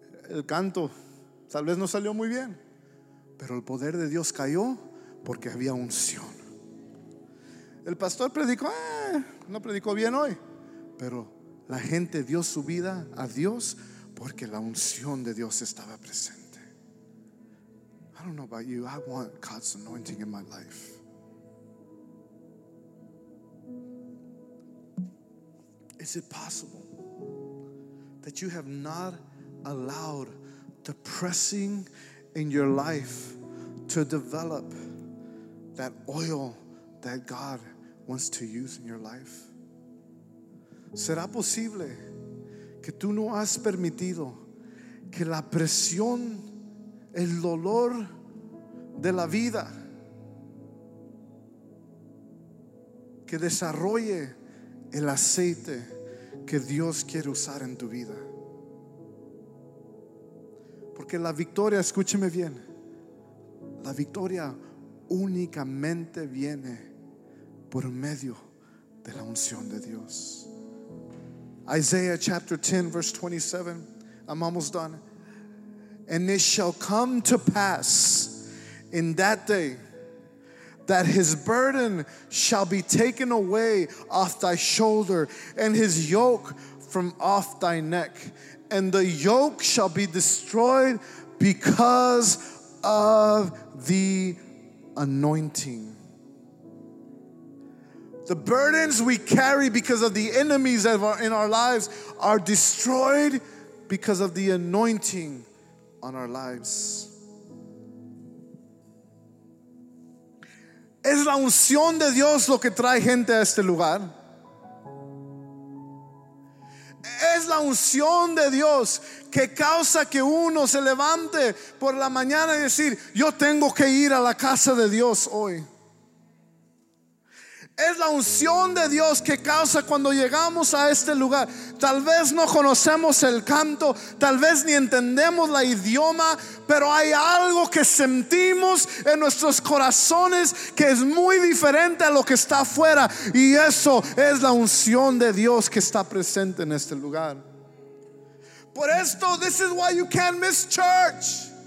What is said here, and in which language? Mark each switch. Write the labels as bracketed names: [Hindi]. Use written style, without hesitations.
[Spanish] El canto tal vez no salió muy bien, pero el poder de Dios cayó porque había unción. El pastor predicó, no predicó bien hoy, pero la gente dio su vida a Dios porque la unción de Dios estaba presente. [English] I don't know about you, I want God's anointing in my life. Is it possible that you have not allowed the pressing in your life to develop that oil that God wants to use in your life? [Spanish] ¿Será posible que tú no has permitido que la presión, el dolor de la vida, que desarrolle el aceite que Dios quiere usar en tu vida? Porque la victoria, escúcheme bien, la victoria únicamente viene por medio de la unción de Dios. [English] Isaiah chapter 10 verse 27. I'm almost done. And it shall come to pass in that day that his burden shall be taken away off thy shoulder, and his yoke from off thy neck, and the yoke shall be destroyed because of the anointing. The burdens we carry because of the enemies that are in our lives are destroyed because of the anointing on our lives. [Spanish] Es la unción de Dios lo que trae gente a este lugar. Es la unción de Dios que causa que uno se levante por la mañana y decir, yo tengo que ir a la casa de Dios hoy. Es la unción de Dios que causa cuando llegamos a este lugar. Tal vez no conocemos el canto, tal vez ni entendemos la idioma, pero hay algo que sentimos en nuestros corazones que es muy diferente a lo que está afuera. Y eso es la unción de Dios que está presente en este lugar. Por esto, [English] this is why you can't miss church.